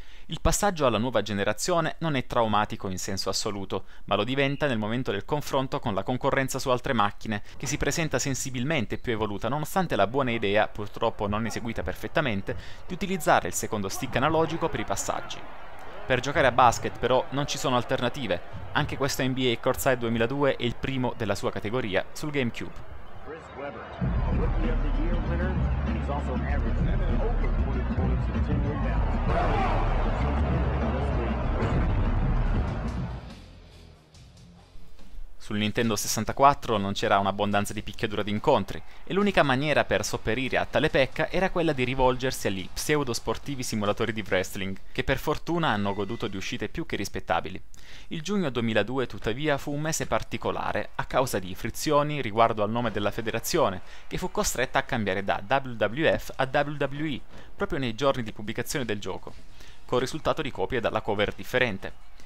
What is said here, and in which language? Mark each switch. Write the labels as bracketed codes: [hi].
[it] Il passaggio alla nuova generazione non è traumatico in senso assoluto, ma lo diventa nel momento del confronto con la concorrenza su altre macchine, che si presenta sensibilmente più evoluta nonostante la buona idea, purtroppo non eseguita perfettamente, di utilizzare il secondo stick analogico per i passaggi. Per giocare a basket però non ci sono alternative, anche questo NBA Courtside 2002 è il primo della sua categoria sul GameCube. [en] Chris Webber, a rookie of the year winner, and he's also averaging over 20 points in 10 rebounds. [it] Sul Nintendo 64 non c'era un'abbondanza di picchiatura di incontri, e l'unica maniera per sopperire a tale pecca era quella di rivolgersi agli pseudo sportivi simulatori di wrestling, che per fortuna hanno goduto di uscite più che rispettabili. Il giugno 2002, tuttavia, fu un mese particolare a causa di frizioni riguardo al nome della federazione, che fu costretta a cambiare da WWF a WWE, proprio nei giorni di pubblicazione del gioco, con risultato di copie dalla cover differente.